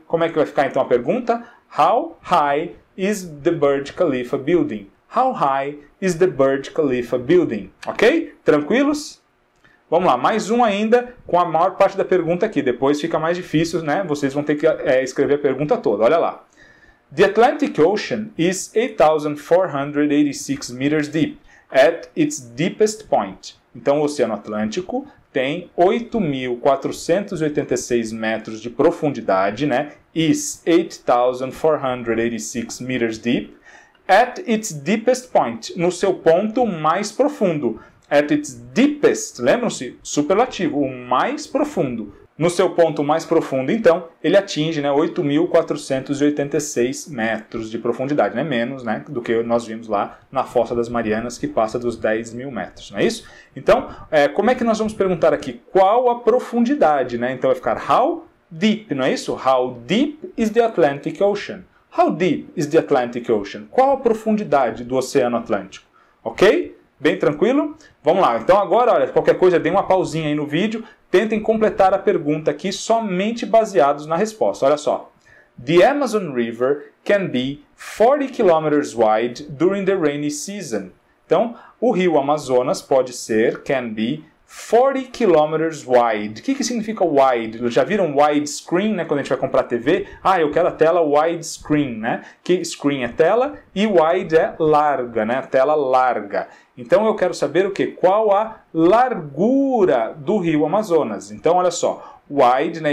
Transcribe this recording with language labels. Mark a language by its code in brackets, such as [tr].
[pt] Como é que vai ficar, então, a pergunta? [en] How high is the Burj Khalifa building? How high is the Burj Khalifa building? [pt] Ok? Tranquilos? Vamos lá, mais um ainda com a maior parte da pergunta aqui. Depois fica mais difícil, né? Vocês vão ter que escrever a pergunta toda. Olha lá. [en] The Atlantic Ocean is 8,486 meters deep at its deepest point. [pt] Então, o Oceano Atlântico tem 8,486 metros de profundidade, né? [en] Is 8,486 meters deep at its deepest point, [pt] no seu ponto mais profundo. [en] At its deepest, [pt] lembram-se? Superlativo, o mais profundo. No seu ponto mais profundo, então, ele atinge, né, 8,486 metros de profundidade, né, menos, né, do que nós vimos lá na Fossa das Marianas, que passa dos 10 mil metros, não é isso? Então, como é que nós vamos perguntar aqui? Qual a profundidade, né? Então vai ficar [en] how deep, [pt] não é isso? [en] How deep is the Atlantic Ocean? How deep is the Atlantic Ocean? [pt] Qual a profundidade do Oceano Atlântico? Ok? Bem tranquilo? Vamos lá. Então agora, olha, qualquer coisa, dê uma pausinha aí no vídeo. Tentem completar a pergunta aqui somente baseados na resposta. Olha só. [en] The Amazon River can be 40 km wide during the rainy season. [pt] Então, o rio Amazonas pode ser, [en] can be, 40 km wide. [pt] O que, que significa wide? Já viram widescreen, né? Quando a gente vai comprar TV? Ah, eu quero a tela widescreen, né? Que screen é tela e wide é larga, né? Tela larga. Então, eu quero saber o quê? Qual a largura do rio Amazonas? Então, olha só. Wide, né?